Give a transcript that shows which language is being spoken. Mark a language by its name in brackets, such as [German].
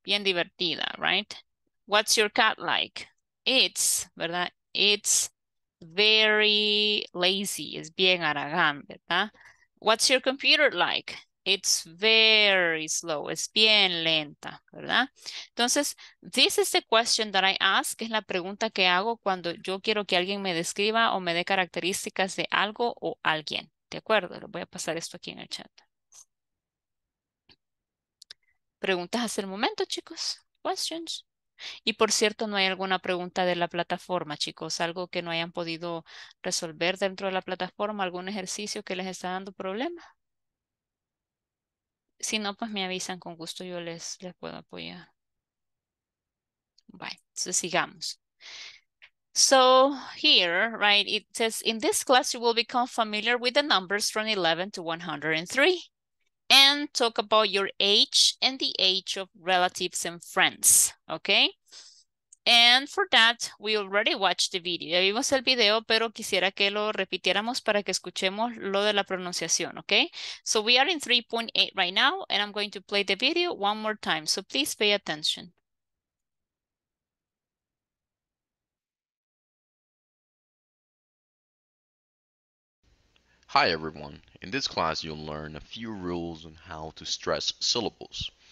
[Spanish] Bien divertida, [English] right? What's your cat like? It's, ¿verdad? It's very lazy. [Spanish] Es bien aragán, ¿verdad? [English] What's your computer like? It's very slow. [Spanish] Es bien lenta, ¿verdad? [English] Entonces, this is the question that I ask. [Spanish] Es la pregunta que hago cuando yo quiero que alguien me describa o me dé características de algo o alguien. ¿De acuerdo? Voy a pasar esto aquí en el chat. ¿Preguntas hasta el momento, chicos? Questions. Y por cierto, no hay alguna pregunta de la plataforma, chicos. Algo que no hayan podido resolver dentro de la plataforma. ¿Algún ejercicio que les está dando problema? Si no, pues me avisan, con gusto yo les puedo apoyar. Bye. So, sigamos. [English] So, here, right, it says, in this class, you will become familiar with the numbers from 11 to 103. And talk about your age and the age of relatives and friends, okay? And for that, we already watched the video. [Spanish] Ya vimos el video, pero quisiera que lo repitiéramos para que escuchemos lo de la pronunciación, okay? [English] So we are in 3.8 right now, and I'm going to play the video one more time. So please pay attention. Hi, everyone. In this class, you'll learn a few rules on how to stress syllables.